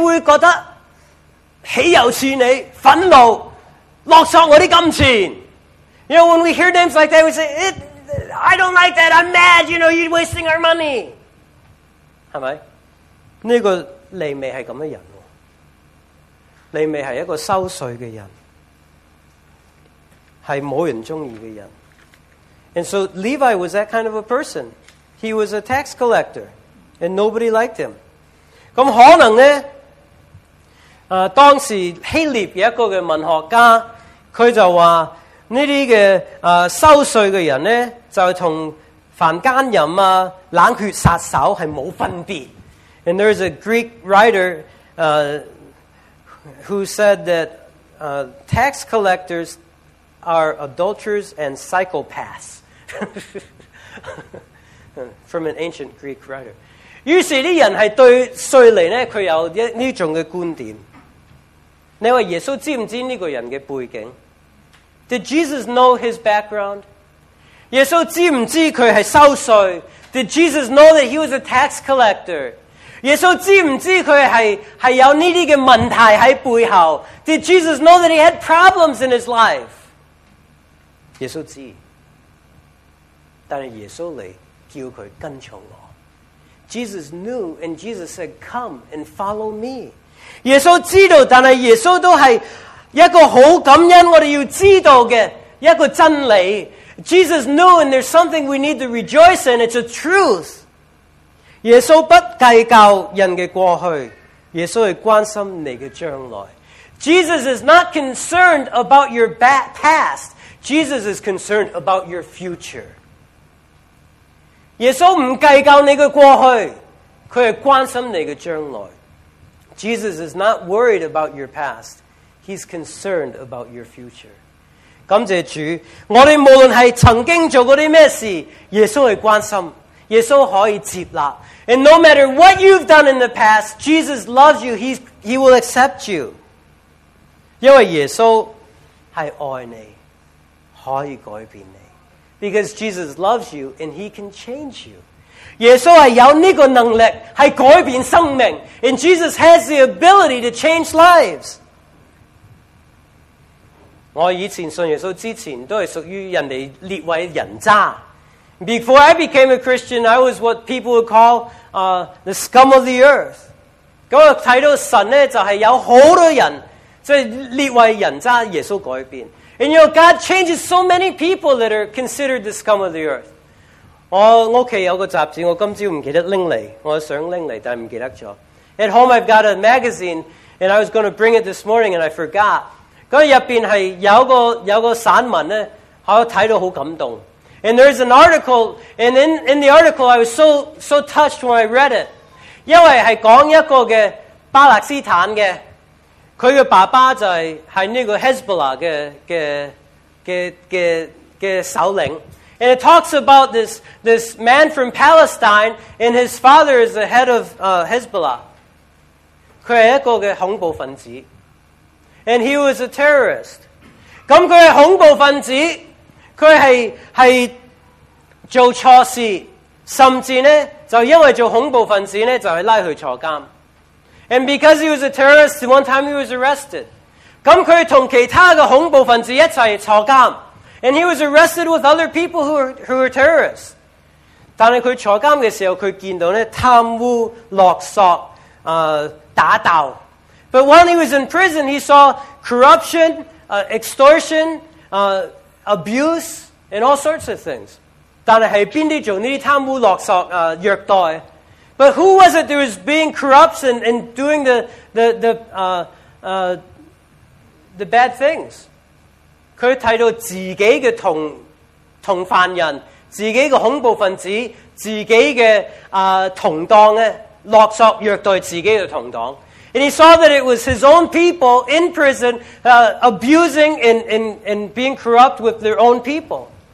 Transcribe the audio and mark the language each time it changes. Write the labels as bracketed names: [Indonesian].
[Chinese] 我們會覺得豈有似你,憤怒, 落索我的金錢. [English] You know, when we hear names like that, we say, I don't like that, I'm mad, you know, you're wasting our money. [Chinese] 是不是? 這個利未是這樣的人, 利未是一個收稅的人, 是没人喜欢的人。 [English] And so Levi was that kind of a person. He was a tax collector, and nobody liked him. [Chinese] 咁可能呢，当时希腊有一个文学家，佢就话呢啲嘅收税嘅人呢，就同凡奸淫啊、冷血杀手系冇分别。 [English] And there is a Greek writer who said that tax collectors are adulterers and psychopaths. From an ancient Greek writer. [Chinese] 於是啲人係對税吏咧，佢有呢種嘅觀點。你話耶穌知唔知呢個人嘅背景 [English] ？Did Jesus know his background？ [Chinese] 耶穌知唔知佢係收税 [English] ？Did Jesus know that he was a tax collector？ [Chinese] 耶穌知唔知佢係有呢啲嘅問題喺背後 [English] ？Did Jesus know that he had problems in his life？ [Chinese] 耶穌知，但係耶穌嚟叫佢跟從我。 [English] Jesus knew, and Jesus said, "Come and follow me." [Chinese] 耶稣知道，但系耶稣都系一个好感恩我哋要知道嘅一个真理。 [English] Jesus knew, and there's something we need to rejoice in. It's a truth. [Chinese] 耶稣不计较人嘅过去，耶稣系关心你嘅将来。 [English] Jesus is not concerned about your past. Jesus is concerned about your future. [Chinese] 耶稣唔计较你嘅过去，佢系关心你嘅将来。 [English] Jesus is not worried about your past; he's concerned about your future. [Chinese] 感谢主，我哋无论系曾经做过啲咩事，耶稣系关心，耶稣可以接纳。 [English] And no matter what you've done in the past, Jesus loves you. He will accept you. [Chinese] 因为耶稣系爱你，可以改变你。 [English] Because Jesus loves you and he can change you. [Chinese] 耶稣是有这个能力是改变生命 [English] and Jesus has the ability to change lives. [Chinese] 我以前信耶稣之前都是属于人家列为人渣。 [English] Before I became a Christian, I was what people would call the scum of the earth. [Chinese] 那我看到神呢就是有很多人就是列为人渣耶稣改变。 [English] And you know, God changes so many people that are considered the scum of the earth. [Chinese] 我家有个杂志，我今朝唔记得拎嚟，我想拎嚟，但唔记得咗。 [English] At home, I've got a magazine, and I was going to bring it this morning, and I forgot. [Chinese] 嗰入边系有个散文咧，我睇到好感动。 [English] And there's an article, and in the article, I was so touched when I read it. [Chinese] 因为系讲一个嘅巴勒斯坦嘅。佢嘅爸爸就係呢個 Hezbollah 嘅首領 [English] ，and it talks about this man from Palestine, and his father is the head of Hezbollah. [Chinese] 佢係一個嘅恐怖分子 [English] ，and he was a terrorist. [Chinese] 咁佢係恐怖分子，佢係做錯事，甚至呢就因為做恐怖分子呢就係拉去坐監。 [English] And because he was a terrorist, one time he was arrested. [Chinese] 咁佢同其他嘅恐怖分子一齐坐监 [English] ，and he was arrested with other people who were terrorists. [Chinese] 但系佢坐监嘅时候，佢见到咧贪污、勒索、打斗。 [English] But while he was in prison, he saw corruption, extortion, abuse, and all sorts of things. [Chinese] 但系喺边啲做呢啲贪污、勒索、虐待？ [English] But who was it that was being corrupt and doing the bad things? [Chinese] 佢睇到自己嘅同犯人、自己嘅恐怖分子、自己嘅同党咧，勒索虐待自己嘅同党。 [English] And he saw that it was his own people in prison abusing and being corrupt with their own people.